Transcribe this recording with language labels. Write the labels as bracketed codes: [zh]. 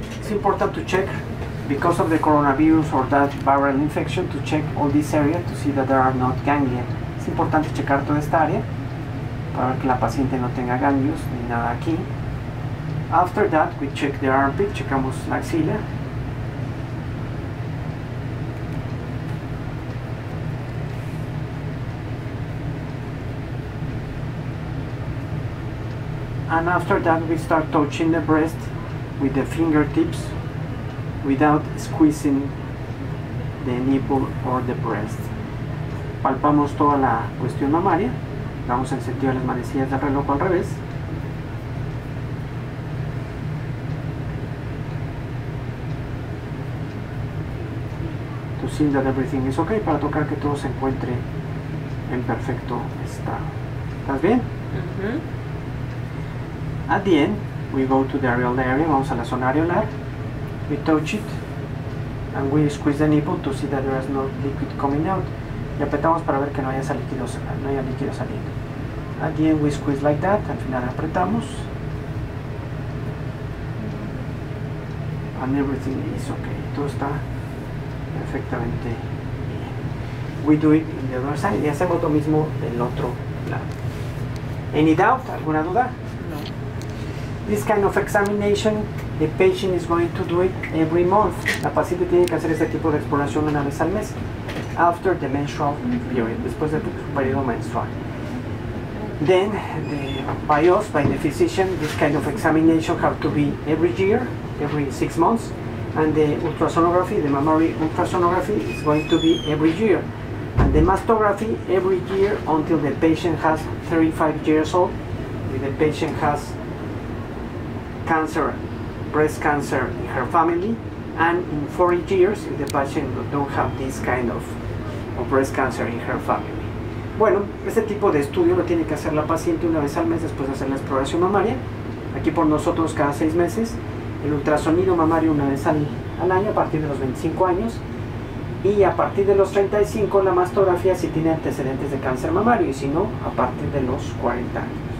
[en] It's important to check, because of the coronavirus or that viral infection, to check all this area to see that there are not ganglia. [es] Es importante checar toda esta área para que la paciente no tenga ganglios ni nada aquí. [en] After that, we check the armpit, [es] checamos la axila. [en] And after that, we start touching the breast with the fingertips without squeezing the nipple or the breast. [es] Palpamos toda la cuestión mamaria. Vamos en sentido de las manecillas del reloj al revés. [en] To see that everything is okay, [es] para tocar que todo se encuentre en perfecto estado. ¿Estás bien? Mm-hmm. [en] At the end, we go to the areolar area, [es] vamos a la zona areolar. [en] We touch it and we squeeze the nipple to see that there is no liquid coming out. [es] Y apretamos para ver que no haya líquido, no haya líquido saliendo. [en] At the end we squeeze like that, [es] al final apretamos. [en] And everything is okay. [es] Todo está perfectamente bien. [en] We do it in the other side [es] y hacemos lo mismo del otro lado. [en] Any doubt? [es] ¿Alguna duda? No. [en] This kind of examination, the patient is going to do it every month. [es] La paciente tiene que hacer este tipo de exploración una vez al mes. [en] After the menstrual period, [es] después de su periodo menstrual. [en] Then, by us, by the physician, this kind of examination have to be every year, every 6 months. And the ultrasonography, the mammary ultrasonography, is going to be every year. And the mastography, every year, until the patient has 35 years old, if the patient has cancer, breast cancer in her family, and in 40 years, if the patient don't have this kind of breast cancer in her family. [es] Bueno, este tipo de estudio lo tiene que hacer la paciente una vez al mes después de hacer la exploración mamaria, aquí por nosotros cada 6 meses, el ultrasonido mamario una vez al año a partir de los 25 años, y a partir de los 35 la mastografía si tiene antecedentes de cáncer mamario, y si no, a partir de los 40 años.